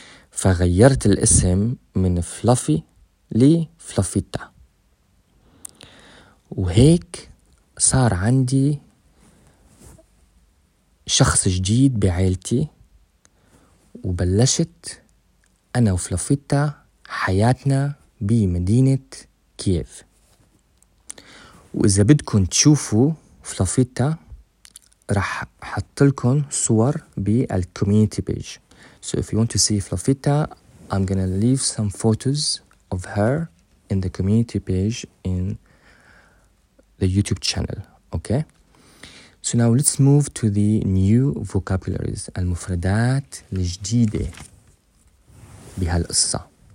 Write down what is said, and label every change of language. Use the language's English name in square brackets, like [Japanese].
[Arabic] فغيرت الاسم من فلافي لفلافيتا، وهيك صار عندي شخص جديد بعيلتي، وبلشت أنا وفلافيتا حياتنا بمدينة كييف. وإذا بدكم تشوفوا فلافيتا رح حط لكم صور بالكوميونيتي بيج. [English] So if you want to see Flaffita, I'm gonna leave some photos of her in the community page in the YouTube channel. Okay. So now let's move to the new vocabularies. [Arabic] المفردات الجديدة بهالقصة.